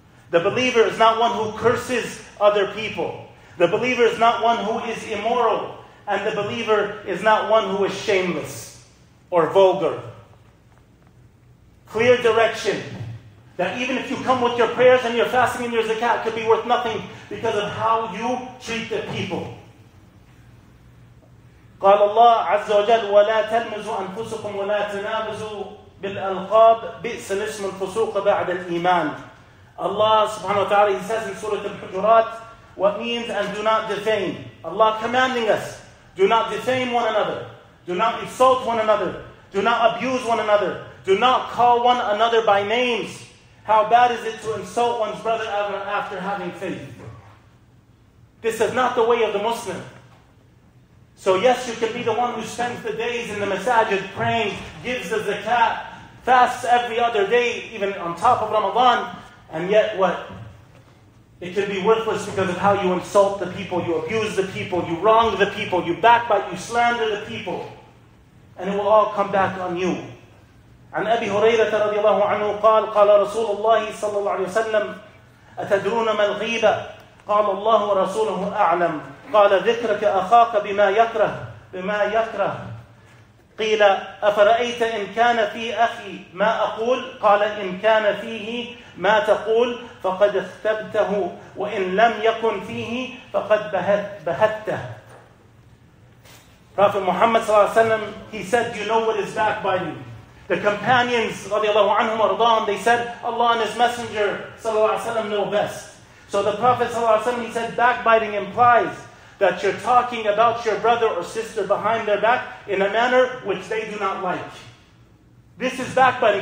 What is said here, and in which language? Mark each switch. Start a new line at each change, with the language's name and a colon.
English: The believer is not one who curses other people. The believer is not one who is immoral. And the believer is not one who is shameless or vulgar. Clear direction. That even if you come with your prayers and your fasting and your zakat, it could be worth nothing because of how you treat the people.
Arabic: قال الله عز وجل ولا تلمزوا أنفسكم ولا تنابزوا بالألقاب بئس الاسم الفسوق بعد الإيمان.
English: Allah
Arabic: subhanahu wa ta'ala,
English: he says in Surah Al-Hujurat, what means, and do not defame. Allah commanding us, do not defame one another. Do not insult one another. Do not abuse one another. Do not call one another by names. How bad is it to insult one's brother ever after having faith? This is not the way of the Muslim. So yes, you can be the one who spends the days in the masajid praying, gives the zakat, fasts every other day, even on top of Ramadan, and yet what? It can be worthless because of how you insult the people, you abuse the people, you wrong the people, you backbite, you slander the people. And it will all come back on you.
Arabic: عن أبي هريرة رضي الله عنه قال قال رسول الله صلى الله عليه وسلم أتدرون ما الغيبة؟ قال الله ورسوله أعلم. قال ذكرك أخاك بما يكره بما يكره. قيل أفرأيت إن كان في أخي ما أقول؟ قال إن كان فيه ما تقول فقد اختبته وإن لم يكن فيه فقد بهته.
English: Prophet Muhammad
Arabic: صلى الله عليه وسلم,
English: he said, you know what is backbiting. The companions
Arabic: رضي الله عنهم ورضاهم,
English: they said, Allah and His Messenger
Arabic: صلى الله عليه وسلم
English: know best. So the Prophet
Arabic: صلى الله عليه وسلم,
English: he said, backbiting implies that you're talking about your brother or sister behind their back in a manner which they do not like. This is backbiting.